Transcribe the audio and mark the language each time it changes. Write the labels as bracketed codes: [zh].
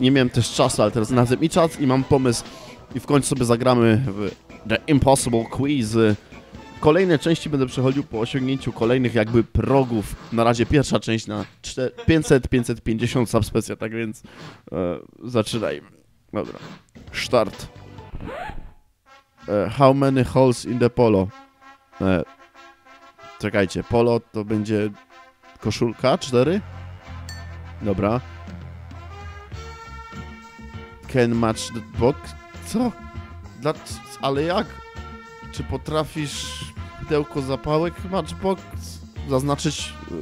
[pl] Nie miałem też czasu, ale teraz znalazłem i czas i mam pomysł. I w końcu sobie zagramy w The Impossible Quiz. Kolejne części będę przechodził po osiągnięciu kolejnych jakby progów. Na razie pierwsza część na 500 sub special, tak więc zaczynajmy. Dobra, start. [en] How many holes in the polo? [pl] Czekajcie, polo to będzie koszulka, 4? Dobra. [en] Can match the box? [pl] Co? Ale jak? Czy potrafisz pudełko zapałek matchbox zaznaczyć?